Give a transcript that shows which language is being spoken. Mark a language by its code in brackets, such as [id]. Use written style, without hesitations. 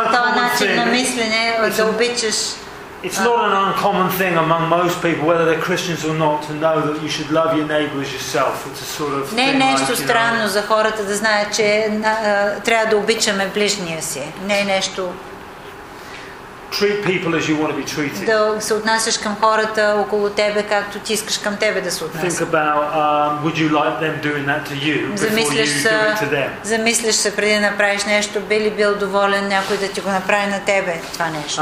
[bg] Това начин на мислене да обичаш. [en] It's not an uncommon thing among most people, whether they're Christians or not, to know that you should love your neighbor as yourself. It's a sort of. [bg] Не е нещо странно за хората да знаят, че трябва да обичаме ближния си. Не е нещо. [en] Treat people as you want to be treated. [bg] Да се отнасяш към хората около тебе, както ти искаш към тебе да се отнасяш. [en] Think about would you like them doing that to you before you do it to them? [bg] Замислиш се преди да направиш нещо, би ли бил доволен някой да ти го направи на тебе това нещо?